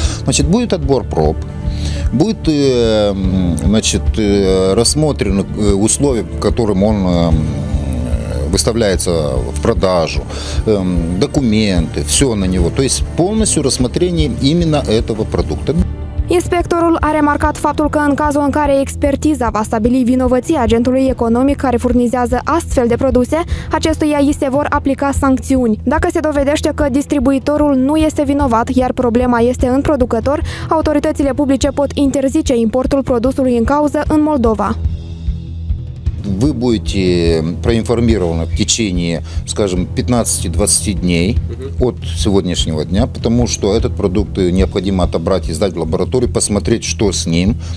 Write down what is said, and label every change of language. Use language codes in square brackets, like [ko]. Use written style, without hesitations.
[ru] Значит, будет отбор проб, будет, значит, рассмотрены условия, по которым он выставляется в продажу, документы, все на него. То есть полностью рассмотрение именно этого продукта. [ro] Inspectorul a remarcat faptul că în cazul în care expertiza va stabili vinovăția agentului economic care furnizează astfel de produse, acestuia i se vor aplica sancțiuni. Dacă se dovedește că distribuitorul nu este vinovat, iar problema este în producător, autoritățile publice pot interzice importul produsului în cauză în Moldova. [ru] Вы будете проинформированы в течение, скажем, 15-20 дней от сегодняшнего дня, потому что этот продукт необходимо отобрать и сдать в лабораторию, посмотреть, что с ним.